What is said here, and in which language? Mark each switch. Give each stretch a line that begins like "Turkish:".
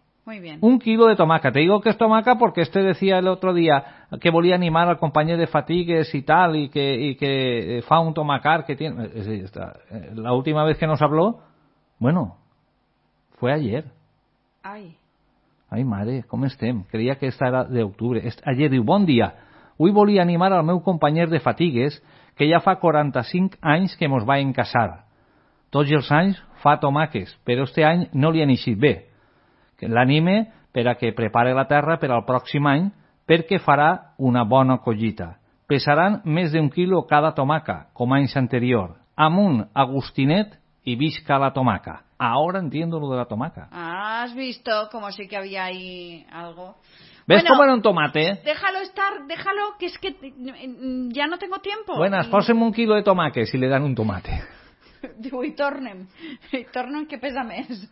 Spanish: Muy bien. Un kilo de tomaca. Te digo que es tomaca porque este decía el otro día que volía a animar al compañero de Fatigues y tal, y que fa un tomacar que tiene... La última vez que nos habló, bueno, fue ayer. Ay...
Catalan: Ai, mare, com estem? Creia que esta era d'octubre. Ayer diu, bon dia, avui volia animar al meu companyer de Fatigues, que ja fa 45 anys que mos va encasar. Tots els anys fa tomàques, però este any no li han eixit bé. L'anime per a que prepare la terra per al pròxim any, perquè farà una bona collita. Pesaran més d'un quilo cada tomaca, com anys anterior. Amunt, Agustinet, i visca la tomaca.
Spanish: Ahora entiendo lo de la tomaca. ¿Has visto? Como si que había ahí algo. ¿Ves cómo era un tomate? Déjalo estar, déjalo, que es que ya no tengo tiempo. Buenas, pásenme un kilo de tomate si le dan un tomate. Digo, y tornen. Y tornen, ¿qué pesa más?